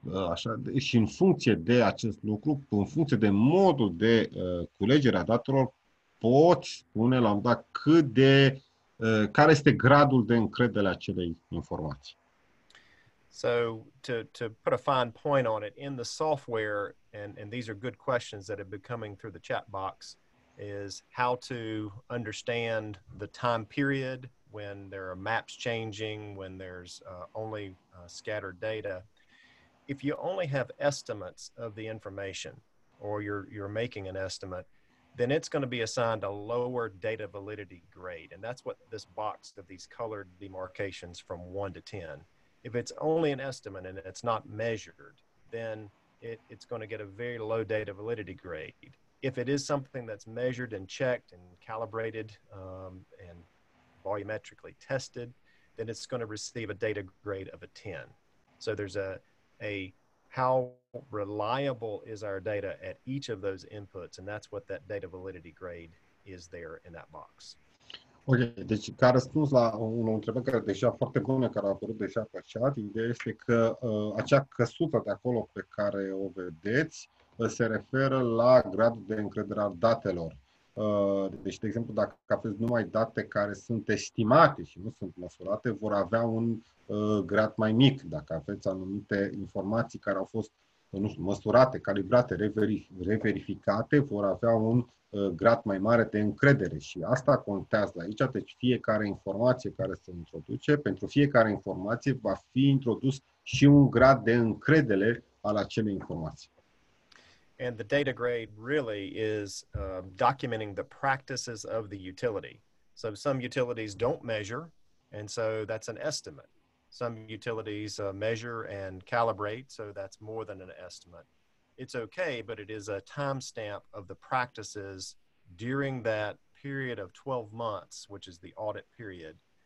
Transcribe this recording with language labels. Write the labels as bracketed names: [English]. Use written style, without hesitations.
[Romanian] Așa, și în funcție de acest lucru, în funcție de modul de culegere a datelor, poți spune la un dat cât de care este gradul de încredere a acelei informații. [English] So to put a fine point on it, in the software, and these are good questions that have been coming through the chat box, is how to understand the time period when there are maps changing, when there's only scattered data. If you only have estimates of the information, or you're making an estimate, then it's going to be assigned a lower data validity grade. And that's what this box of these colored demarcations from 1 to 10. If it's only an estimate and it's not measured, then it's going to get a very low data validity grade. If it is something that's measured and checked and calibrated and volumetrically tested, then it's going to receive a data grade of a 10. So there's a how reliable is our data at each of those inputs, and that's what that data validity grade is there in that box. [Romanian] Ok, deci ca răspuns la o întrebare care deja foarte bună, care a apărut deja pe chat, ideea este că acea căsuță de acolo pe care o vedeți se referă la gradul de încredere al datelor. Deci, de exemplu, dacă aveți numai date care sunt estimate și nu sunt măsurate, vor avea un grad mai mic. Dacă aveți anumite informații care au fost, nu știu, măsurate, calibrate, reverificate, vor avea un grad mai mare de încredere. Și asta contează aici, deci fiecare informație care se introduce, pentru fiecare informație va fi introdus și un grad de încredere al acelei informații. [English] And the data grade really is documenting the practices of the utility. So some utilities don't measure, and so that's an estimate. Some utilities measure and calibrate, so that's more than an estimate. It's okay, but it is a timestamp of the practices during that period of 12 months, which is the audit period.